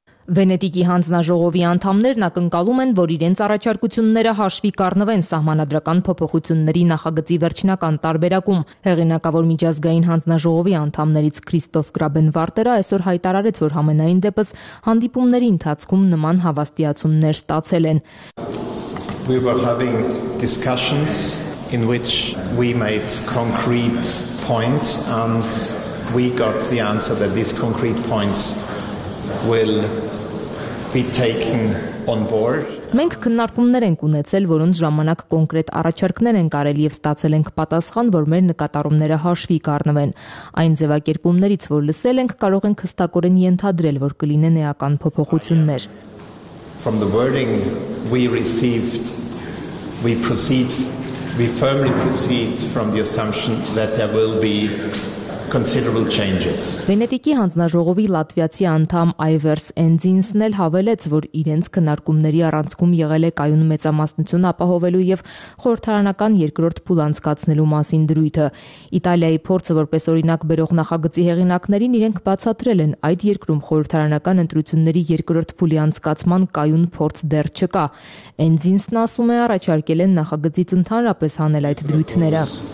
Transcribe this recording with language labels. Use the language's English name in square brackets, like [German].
[Armenian] Վենետիկի հանձնաժողովի անդամներն ակնկալում են, որ իրենց առաջարկությունները հաշվի կառնվեն սահմանադրական փոփոխությունների նախագծի վերջնական տարբերակում։ Հեղինակավոր միջազգային հանձնաժողովի անդամներից Քրիստոֆ Գրաբենվարտերը այսօր հայտարարեց, որ համենայն դեպս հանդիպումների ընթացքում նման հավաստիացումներ ստացել են։ [English] We were having discussions in which we made concrete points and we got the answer that these concrete points will be taken on board. [Armenian] Մենք քննարկումներ ենք ունեցել, որոնց ժամանակ կոնկրետ առաջարկներ են կարել եւ ստացել ենք պատասխան, որ մեր նկատառումները հաշվի կառնվեն։ Այն ձևակերպումներից, որ լսել ենք, կարող ենք հստակորեն ենթադրել, որ կլինեն էական փոփոխություններ։ [English] From the wording we received, we firmly proceed from the assumption that there will be considerable changes. [Armenian] Վենետիկի հանձնաժողովի լատվիացի անդամ Այվերս Ենձինսն էլ հավելեց, որ իրենց քննարկումների առանցքում եղել է կայուն մեծամասնություն ապահովելու եւ խորհրդարանական երկրորդ փուլ անցկացնելու մասին դրույթը։ Իտալիայի փորձը, որպես օրինակ բերող նախագծի հեղինակներին, իրենք բացատրել են, այդ երկրում խորհրդարանական ընտրությունների երկրորդ փուլի անցկացման կայուն փորձ դեռ չկա։ Ենձինսն ասում է, առաջարկել են նախագծից ընդհանրապես հանել այդ դրույթները.